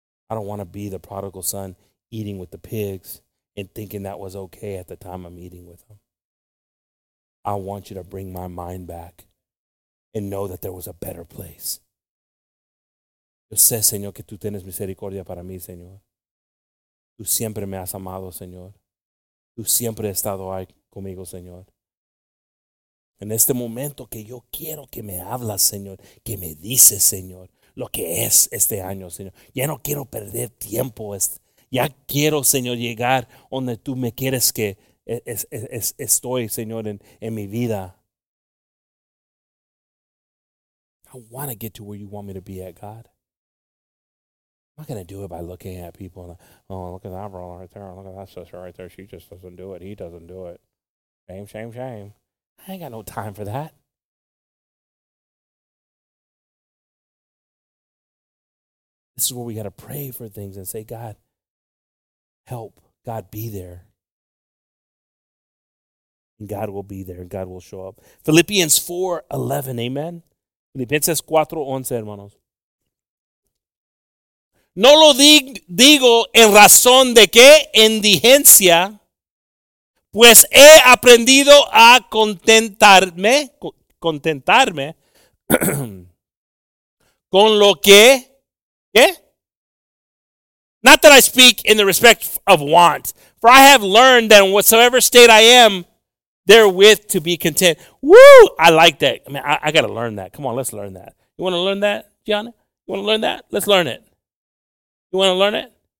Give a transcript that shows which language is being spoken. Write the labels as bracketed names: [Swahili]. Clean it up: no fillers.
[English] I don't want to be the prodigal son eating with the pigs and thinking that was okay at the time I'm eating with them. I want you to bring my mind back and know that there was a better place. [Spanish] Yo sé, Señor, que tú tienes misericordia para mí, Señor. Tú siempre me has amado, Señor. Tú siempre has estado ahí conmigo, Señor. En este momento que yo quiero que me hablas, Señor, que me dices, Señor, lo que es este año, Señor. Ya no quiero perder tiempo. Ya quiero, Señor, llegar donde tú me quieres que estoy, Señor, en mi vida. [English] I want to get to where you want me to be at, God. I'm not going to do it by looking at people. And, oh, look at that bro right there. Look at that sister right there. She just doesn't do it. He doesn't do it. Shame, shame, shame. I ain't got no time for that. This is where we got to pray for things and say, God, help. God, be there. And God will be there. And God will show up. Philippians 4:11, amen. [Spanish] Filipenses 4:11, hermanos. No lo digo en razón de que en diligencia. Pues he aprendido a contentarme con lo que, ¿qué? [English] Not that I speak in the respect of want, for I have learned that in whatsoever state I am, therewith to be content. Woo! I like that. I mean, I got to learn that. Come on, let's learn that. You want to learn that, Gianna? You want to learn that? Let's learn it. You want to learn it?